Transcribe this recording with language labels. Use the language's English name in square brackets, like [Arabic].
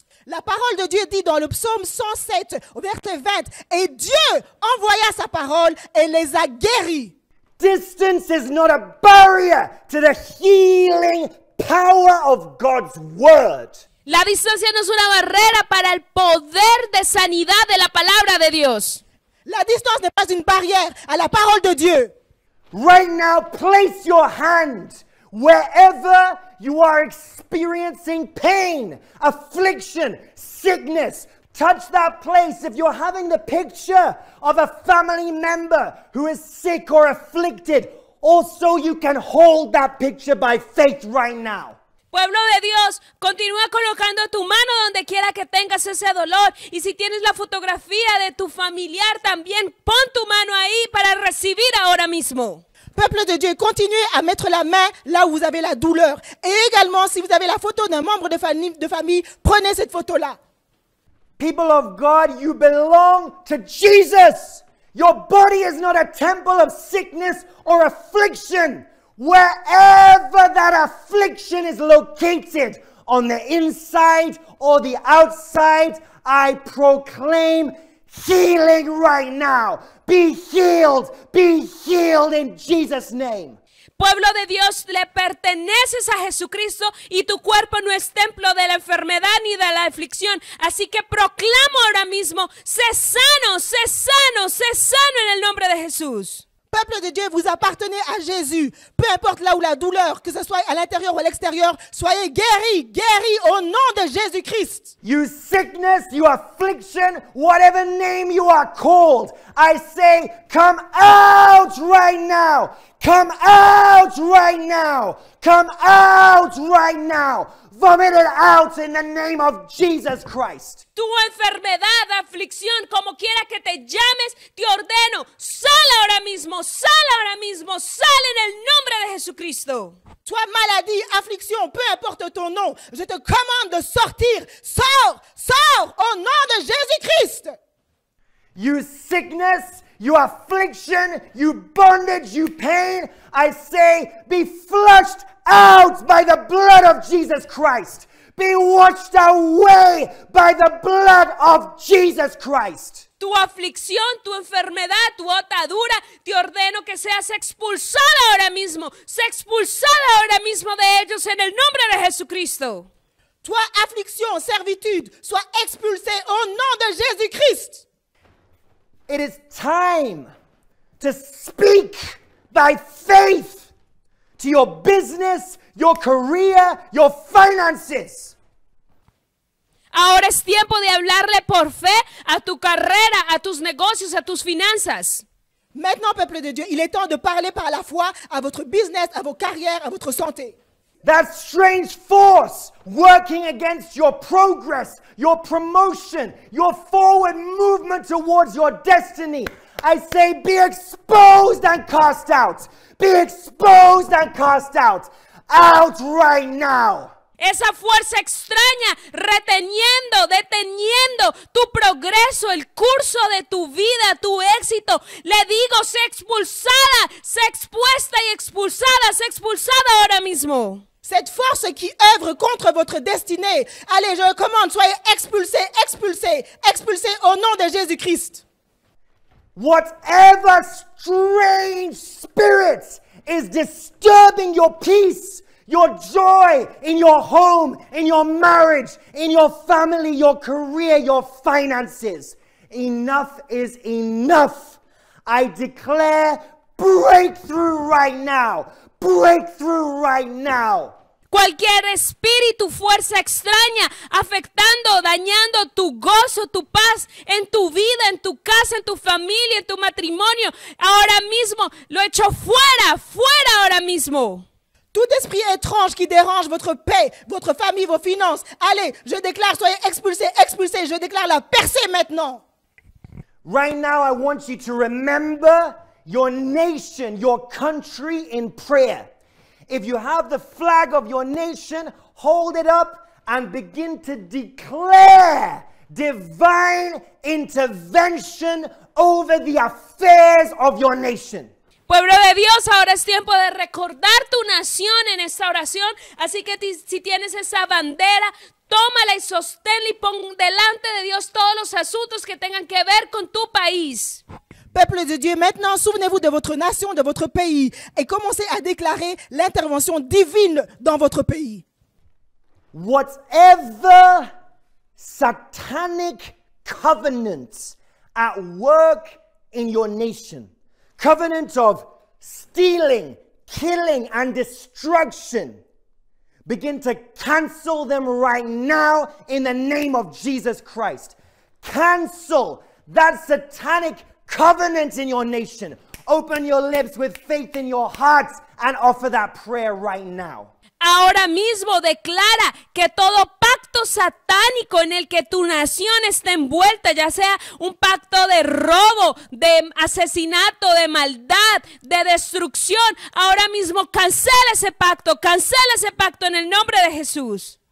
[French] La parole de Dieu dit dans le psaume 107, verset 20, et Dieu envoya sa parole et les a guéris. [English] Distance is not a barrier to the healing power of God's word. [Spanish] La distancia no es una barrera para el poder de sanidad de la palabra de Dios. [French] La distance n'est pas une barrière à la parole de Dieu. [English] Right now, place your hand wherever you are experiencing pain, affliction, sickness. Touch that place. If you're having the picture of a family member who is sick or afflicted, also you can hold that picture by faith right now. [Spanish] Pueblo de Dios, continúa colocando tu mano donde quiera que tengas ese dolor. Y si tienes la fotografía de tu familiar, también pon tu mano ahí para recibir ahora mismo. [French] Peuple de Dieu, continuez à mettre la main là où vous avez la douleur. Et également, si vous avez la photo d'un membre de famille, prenez cette photo-là. [English] People of God, you belong to Jesus. Your body is not a temple of sickness or affliction. Wherever that affliction is located, on the inside or the outside, I proclaim healing right now. Be healed in Jesus' name. [Spanish] Pueblo de Dios, le perteneces a Jesucristo y tu cuerpo no es templo de la enfermedad ni de la aflicción. Así que proclamo ahora mismo, sé sano, sé sano, sé sano en el nombre de Jesús. [French] Peuple de Dieu, vous appartenez à Jésus. Peu importe là où la douleur, que ce soit à l'intérieur ou à l'extérieur, soyez guéris, guéris au nom de Jésus-Christ. [English] You sickness, you affliction, whatever name you are called, I say, come out right now. Come out right now. Come out right now. Vomit it out in the name of Jesus Christ. [Spanish] Tu enfermedad, aflicción, como quiera que te llames, te ordeno, sal ahora mismo, sal en el nombre de Jesucristo. [French] Toi, maladie, affliction, peu importe ton nom, je te commande de sortir, sors, sors, au nom de Jésus Christ. [English] You sickness, you affliction, you bondage, you pain, I say, be flushed out by the blood of Jesus Christ. Be washed away by the blood of Jesus Christ. [Spanish] tu aflicción, tu enfermedad, tu atadura, te ordeno que seas expulsada ahora mismo. Sé expulsada ahora mismo de ellos en el nombre de Jesucristo. [French] Toi, affliction, servitude, sois expulsé au nom de Jésus-Christ. [English] It is time to speak by faith to your business, your career, your finances. [Spanish] Ahora es tiempo de hablarle por fe a tu carrera, a tus negocios, a tus finanzas. [French] Maintenant, peuple de Dieu, il est temps de parler par la foi à votre business, à vos carrières, à votre santé. [English] That strange force working against your progress, your promotion, your forward movement towards your destiny. I say be exposed and cast out. Be exposed and cast out. Out right now. [Spanish] Esa fuerza extraña reteniendo, deteniendo tu progreso, el curso de tu vida, tu éxito. Le digo, sé expulsada, sé expuesta y expulsada, sé expulsada ahora mismo. [French] Cette force qui œuvre contre votre destinée. Allez, je commande, soyez expulsés, expulsés, expulsés au nom de Jésus-Christ. [English] Whatever strange spirit is disturbing your peace, your joy in your home, in your marriage, in your family, your career, your finances. Enough is enough. I declare breakthrough right now. Breakthrough right now. [Spanish] Cualquier espíritu, fuerza extraña, afectando, dañando tu gozo, tu paz, en tu vida, en tu casa, en tu familia, en tu matrimonio, ahora mismo, lo echo fuera, fuera ahora mismo. [French] Tout esprit étrange qui dérange votre paix, votre famille, vos finances, allez, je déclare, soyez expulsés, expulsés, je déclare la percée maintenant. [English] Right now, I want you to remember your nation, your country in prayer. If you have the flag of your nation, hold it up and begin to declare divine intervention over the affairs of your nation. [Spanish] Pueblo de Dios, ahora es tiempo de recordar tu nación en esta oración. Así que si tienes esa bandera, tómala y sosténla y pon delante de Dios todos los asuntos que tengan que ver con tu país. [French] Peuple de Dieu, maintenant, souvenez-vous de votre nation, de votre pays, et commencez à déclarer l'intervention divine dans votre pays. [English] Whatever satanic covenant at work in your nation, covenant of stealing, killing, and destruction, begin to cancel them right now in the name of Jesus Christ. Cancel that satanic covenant in your nation. Open your lips with faith in your hearts and offer that prayer right now. [Spanish] Ahora mismo declara que todo pacto satánico en el que tu nación está envuelta, ya sea un pacto de robo, de asesinato, de maldad, de destrucción, ahora mismo cancela ese pacto en el nombre de Jesús.